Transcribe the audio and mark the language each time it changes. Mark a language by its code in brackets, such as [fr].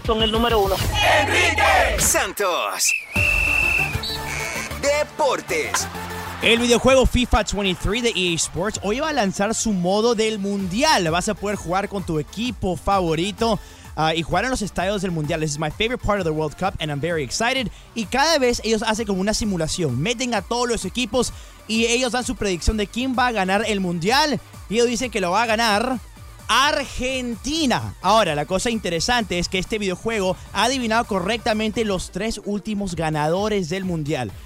[es] Son el número uno. Enrique Santos. Deportes. El videojuego FIFA 23 de EA Sports hoy va a lanzar su modo del mundial. Vas a poder jugar con tu equipo favorito y jugar en los estadios del mundial. [en] This is my favorite part of the World Cup and I'm very excited. [es] Y cada vez ellos hacen como una simulación. Meten a todos los equipos y ellos dan su predicción de quién va a ganar el mundial. Y ellos dicen que lo va a ganar Argentina. Ahora, la cosa interesante es que este videojuego ha adivinado correctamente los tres últimos ganadores del mundial.